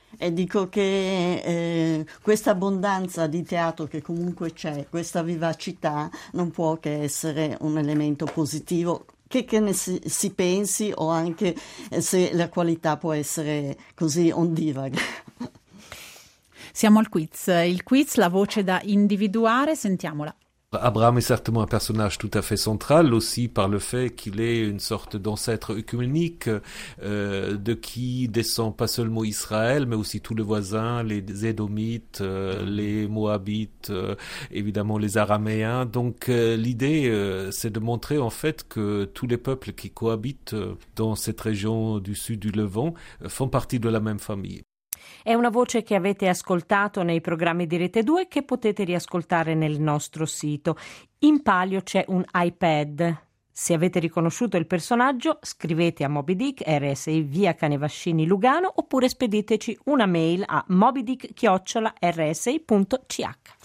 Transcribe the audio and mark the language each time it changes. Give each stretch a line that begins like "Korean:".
Italian: E dico che questa abbondanza di teatro che comunque c'è, questa vivacità, non può che essere un elemento positivo, che ne si pensi, o anche se la qualità può essere così ondivaga. Siamo al quiz. Il quiz, la voce da individuare, sentiamola.
French: Abraham è certamente un personaggio tout à fait central, aussi par le fait qu'il est une sorte d'ancêtre œcuménique, de qui descend pas seulement Israël, mais aussi tous les voisins, les Édomites, les Moabites, évidemment les Araméens. Donc l'idée, c'est de montrer en fait que tous les peuples qui cohabitent dans cette région du sud du Levant font partie de la même famille.
Italian: È una voce che avete ascoltato nei programmi di Rete 2, che potete riascoltare nel nostro sito. In palio c'è un iPad. Se avete riconosciuto il personaggio, scrivete a Moby Dick, RSI via Canevascini Lugano, oppure spediteci una mail a mobydick@rsi.ch.